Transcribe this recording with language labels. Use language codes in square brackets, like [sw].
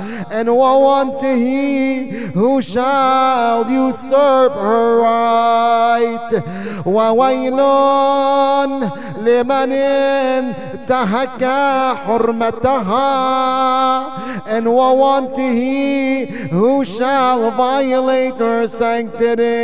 [en] And woe unto he who shall usurp her right. [ar] وويلون لمن انتهك حرمتها. [en] And woe unto he who shall violate her sanctity.